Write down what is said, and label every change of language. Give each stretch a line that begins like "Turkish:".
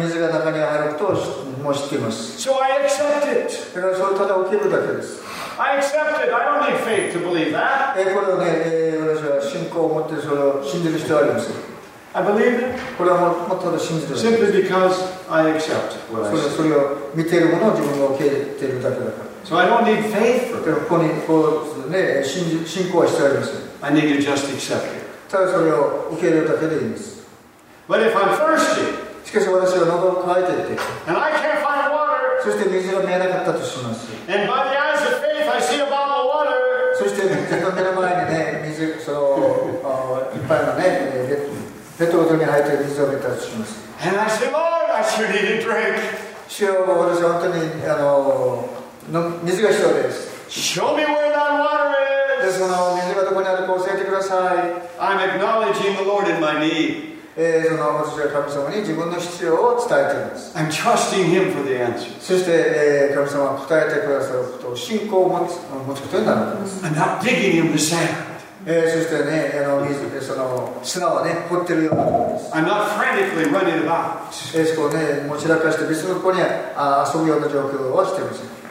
Japanese: 水が中に入ることをもう知っています。
English: So I accept it.
Japanese: だからそれただ受けるだけです。
English: I accept it, I don't need faith to believe that.
Japanese: これはね、私は信仰を持ってそれを信じる必要ありません。
English: I believe it.
Japanese: これはもうただ信じてる。
English: Simply because I accept what I see.
Japanese: それを見ているものを自分が受け入れているだけだから。
English: So I don't need faith.
Japanese: でもここにこうね信仰は必要ありません。
English: I need to just accept it.
Japanese: ただそれを受け入れるだけでいいんです。
English: But if I'm thirsty.
Japanese: しかし私は喉が渇いていて。
English: And I can't find water.
Japanese: そして水が見えなかったとします。
English: And by the eyes of faith, I see a bottle of water.
Japanese: そして目の前にね水そのいっぱいのねペットボトルに入っている水を見たとします。
English: And I said, Lord, I sure need a drink.
Japanese: 主よ、私は本当に水が必要です。
English: Show me where that water is.
Japanese: で、その水がどこにあるか教えてください。
English: I'm acknowledging the Lord in my need.
Japanese: その私は神様に自分の必要を伝えています。
English: I'm trusting him for the answer.
Japanese: そして、神様は答えてくださることを信仰を持つことになるんです。
English: I'm not digging in the sand.
Japanese: そしてね、水その砂はね、掘ってるようなものです。
English: I'm not frantically running about.
Japanese: そこをね、持ち出かして、別のここに遊ぶような状況はしてません。